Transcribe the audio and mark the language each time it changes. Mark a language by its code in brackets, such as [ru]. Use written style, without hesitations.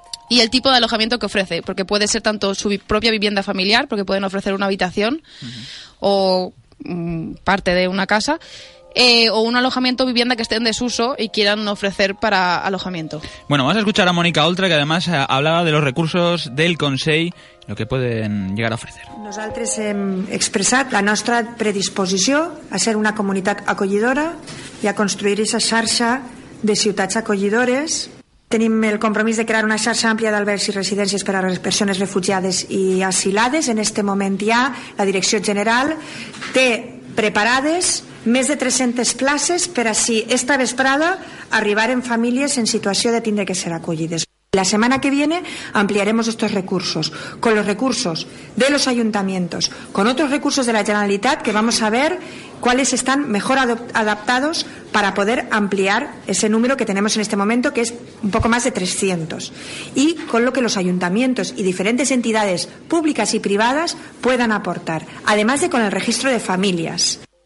[es] y el tipo de alojamiento que ofrece, porque puede ser tanto su propia vivienda familiar, porque pueden ofrecer una habitación o parte de una casa, o un alojamiento o vivienda que esté en desuso y quieran ofrecer para alojamiento. Bueno, vamos a escuchar a Mónica Oltra, que además hablaba de los recursos del Consell, lo que pueden llegar a ofrecer. [ca] Nosaltres hem expressat la nostra predisposició a ser una comunitat acollidora i a construir aquesta xarxa de ciutats acollidores. Tenim el compromís de crear una xarxa àmplia d'albergs i residències per a les persones refugiades i asilades. En este moment ja la Direcció General té preparades més de 300 places per a si esta vesprada arribaren famílies en situació de tindre que ser acollides. [es] La semana que viene ampliaremos estos recursos con los recursos de los ayuntamientos, con otros recursos de la Generalitat, que vamos a ver cuáles están mejor adaptados para poder ampliar ese número que tenemos en este momento, que es un poco más de 300, y con lo que los ayuntamientos y diferentes entidades públicas y privadas puedan aportar, además de con el registro de familias.